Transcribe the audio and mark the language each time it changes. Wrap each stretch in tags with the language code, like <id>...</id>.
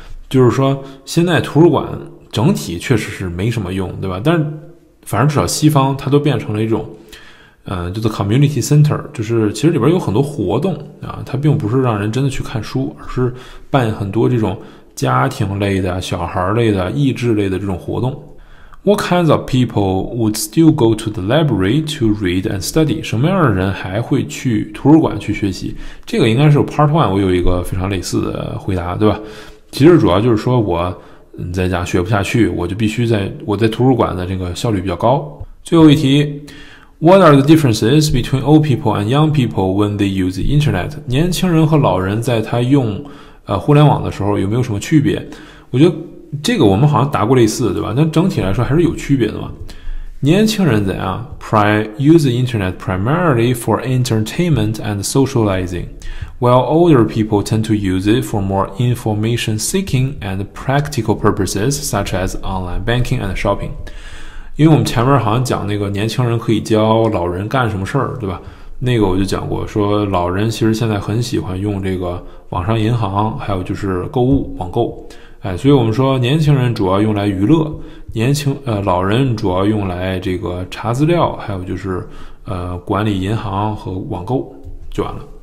<zh>就是说现在图书馆整体确实是没什么用，对吧？但是反正至少西方它都变成了一种就是 community center， 就是其实里边有很多活动啊，它并不是让人真的去看书，而是办很多这种家庭类的、小孩类的、益智类的这种活动。</zh> <en>What kinds of people would still go to the library to read and study?</en> <zh>什么样的人还会去图书馆去学习？这个应该是 part one， 我有一个非常类似的回答，对吧？其实主要就是说我在家学不下去，我就必须在我在图书馆的这个效率比较高。最后一题</zh> <en>，What are the differences between old people and young people when they use the internet?</en> <zh>年轻人和老人在他用互联网的时候有没有什么区别？我觉得。这个我们好像答过类似的，对吧？但整体来说还是有区别的嘛。年轻人怎样</zh> <en>use the internet primarily for entertainment and socializing, while older people tend to use it for more information seeking and practical purposes such as online banking and shopping.</en> <zh>因为我们前面好像讲那个年轻人可以教老人干什么事儿，对吧？那个我就讲过，说老人其实现在很喜欢用这个网上银行，还有就是购物网购。所以我们说年轻人主要用来娱乐，老人主要用来这个查资料，还有就是管理银行和网购，就完了。</zh>